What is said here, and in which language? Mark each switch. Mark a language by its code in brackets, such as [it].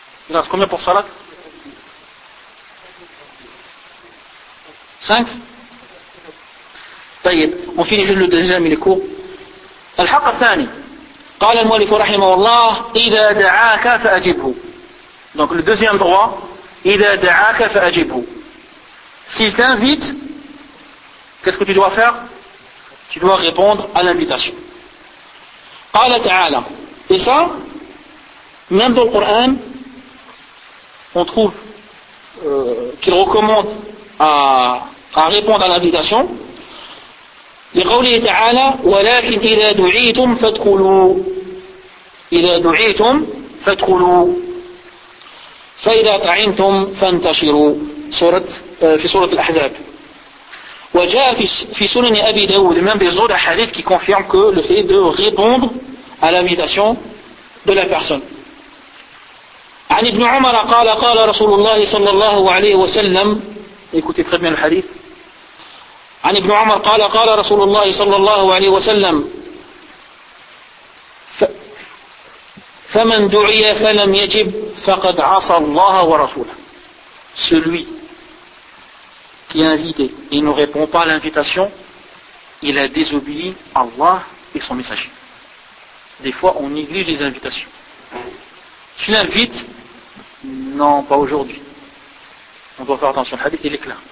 [fr] Il reste combien pour Salat? 5? Taïd, on finit juste le deuxième, il est court. [ar] Al-Haqq al-Thani. قال المؤلف رحمه الله إذا دعاك فأجبه. [fr] Donc le deuxième droit, [ar] إذا دعاك فأجبه. [fr] S'il t'invite, qu'est-ce que tu dois faire? Tu dois répondre à l'invitation. [ar] قال تعالى. [fr] Et ça, même dans le Coran, on trouve qu'il recommande à répondre à l'invitation. [ar] لقوله تعالى ولكن إذا دعيتم فادخلوا. إذا دعيتم فادخلوا فإذا طعنتم فانتشروا سورة في سورة الأحزاب وجاء في سنن أبي داود من بزور حديث كي [fr] confirme que le fait de répondre à la méditation de la personne. [ar] عن ابن عمر قال قال رسول الله صلى الله عليه وسلم [fr] écoutez très bien le hadith. [ar] عن ابن عمر قال قال رسول الله صلى الله عليه وسلم فمن دعي فلم يجب فقد عصى الله ورسوله. [fr] Celui qui est invité et ne répond pas à l'invitation, il a désobéi Allah et son messager. Des fois on néglige les invitations. Tu l'invites? Non, pas aujourd'hui. On doit faire attention. Le hadith, il est clair.